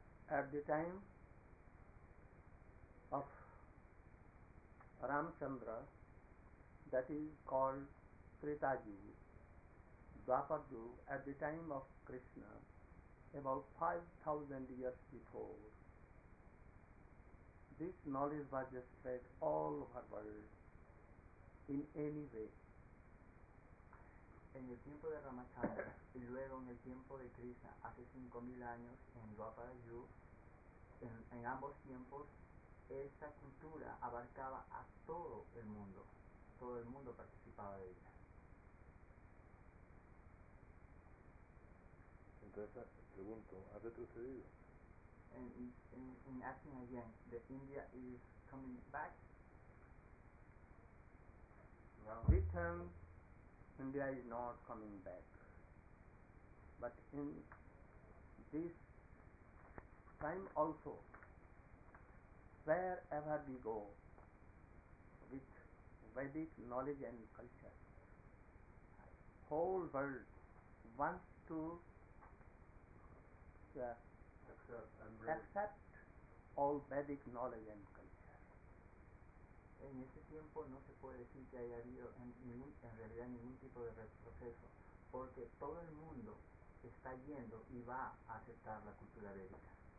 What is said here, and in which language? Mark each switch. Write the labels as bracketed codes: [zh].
[en] At the time of Ramachandra, that is called Treta Yuga, Dwapara Yuga, at the time of Krishna, about 5,000 years before, this knowledge was spread all over the world in any way. [es] En el tiempo de Ramachandra y luego en el tiempo de Krishna, hace 5,000 años en Dwapara Yuga, en ambos tiempos, esta cultura abarcaba a todo el mundo. Todo el mundo participaba de ella. Entonces, pregunto, ¿ha retrocedido? [en] In asking again, that India is coming back? No. This time, India is not coming back. But in this time also, wherever we go with Vedic knowledge and culture, whole world wants to accept all Vedic knowledge and culture. [es] En ese tiempo no se puede decir que haya habido en realidad ningún tipo de retroceso, porque todo el mundo está yendo y va a aceptar la cultura védica.